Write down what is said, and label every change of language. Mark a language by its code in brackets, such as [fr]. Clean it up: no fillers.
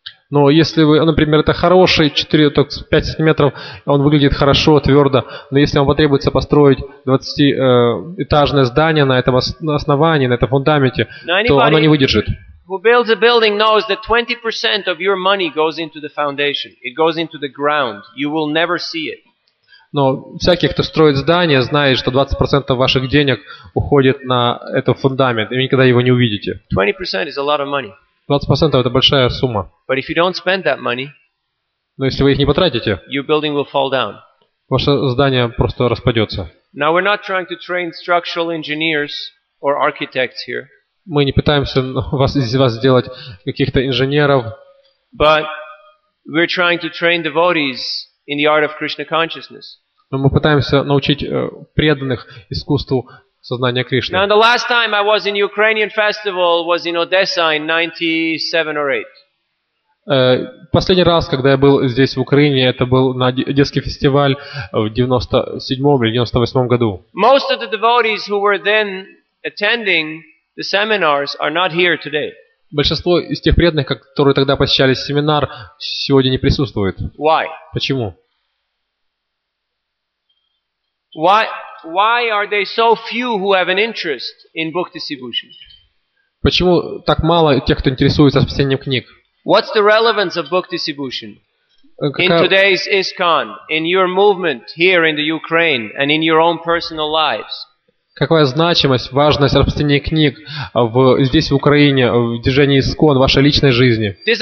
[ru] Но если вы, например, это хороший 4-5 сантиметров, он выглядит хорошо, твердо, но если вам потребуется построить 20-этажное здание на этом основании, на этом фундаменте, то оно не выдержит. [en] Who builds a building knows that 20% of your money goes into the foundation. It goes into the ground. You will never see it. [ru] Но всякий, кто строит здание, знает, что 20% ваших денег уходит на этот фундамент, и вы никогда его не увидите. [en] 20% is a lot of money. [ru] 20% это большая сумма. [en] But if you don't spend that money, [ru] но если вы их не потратите, [en] your building will fall down. [ru] Ваше здание просто распадется. [en] Now we're not trying to train structural engineers or architects here. [ru] Мы не пытаемся вас, из вас сделать каких-то инженеров. [en] But we're trying to train devotees in the art of Krishna consciousness. [ru] Но мы пытаемся научить преданных искусству сознания Кришны. [en] Now the last time I was in Ukrainian festival was in Odessa in 97 or 8. [ru] Последний раз, когда я был здесь в Украине, это был на детский фестиваль в 97 или 98 году. [en] Most of the devotees who were then attending the seminars are not here today. [ru] Большинство из тех преданных, которые тогда посещали семинар, сегодня не присутствует. [en] Why? [ru] Почему? [en] Why are they so few who have an interest in book distribution? [ru] Почему так мало тех, кто интересуется распространением книг? [en] What's the relevance of book distribution in today's ISKCON, in your movement here in the Ukraine, and in your own personal lives? [ru] Какая значимость, важность распространения книг здесь, в Украине, в движении ИСКОН, в вашей личной жизни?